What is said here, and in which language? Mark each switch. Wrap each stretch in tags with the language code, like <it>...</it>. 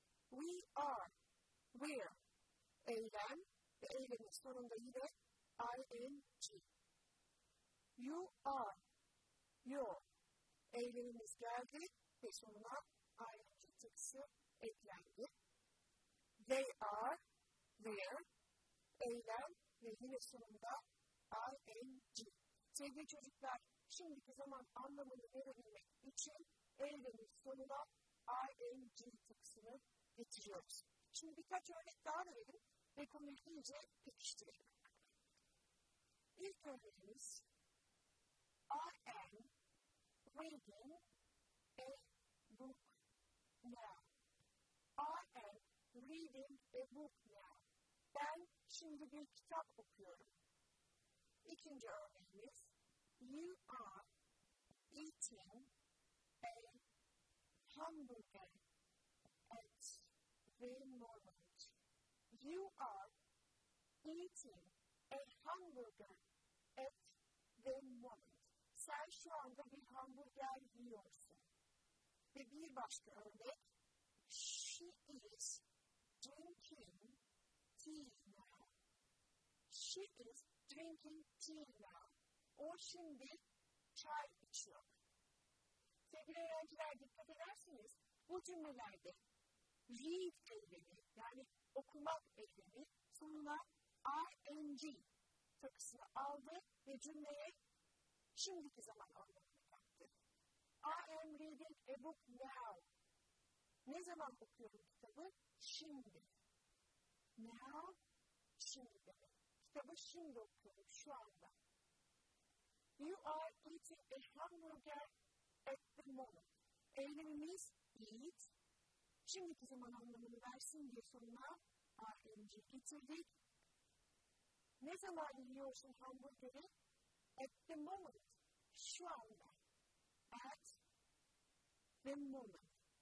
<en>We are, we're,</en> <tr>eylem ve eylemin sonunda yine ing.</tr> <en>You are, you,</en> <tr>eylemimiz geldi ve sonuna ing tepsi eklendi.</tr> <en>They are, they're,</en> <tr>eylem ve yine sonunda ing. Sevgili çocuklar, şimdiki zaman anlamını verebilmek için eylemin sonuna ing tıkısını getiriyoruz. Şimdi birkaç örnek daha verelim ve konuyu iyice pekiştirelim. İlk örneğimiz,</tr> <en>I am reading a book now. I am reading a book now.</en> <tr>Ben şimdi bir kitap okuyorum.</tr> <en>İkinci örneğimiz, you are eating a hamburger at the moment. You are eating a hamburger at the moment.</en> <tr>Sen şu anda bir hamburger yiyorsun. Ve bir başka örnek,</tr> <en>she is drinking tea now. She is drinking tea now.</en> <tr>O şimdi çay içiyor. Sevgili öğrenciler, dikkat ederseniz bu cümlelerde read eylemi, yani okumak eylemi sonuna ing takısını aldı ve cümleye şimdiki zaman anlamını kattı.</tr> <en>I am reading a book now.</en> <tr>Ne zaman okuyorum kitabı? Şimdi. Now, şimdi demek. Kitabı şimdi okuyorum, şu anda.</tr> <en>You are eating a hamburger at the moment.</en> <tr>Eylemimiz eat. Şimdiki zaman anlamını versin diye sonuna ing getirdik. Ne zaman yiyorsun hamburgeri?</tr> <en>At the moment.</en> <tr>Şu anda.</tr> <en>At the moment.</en>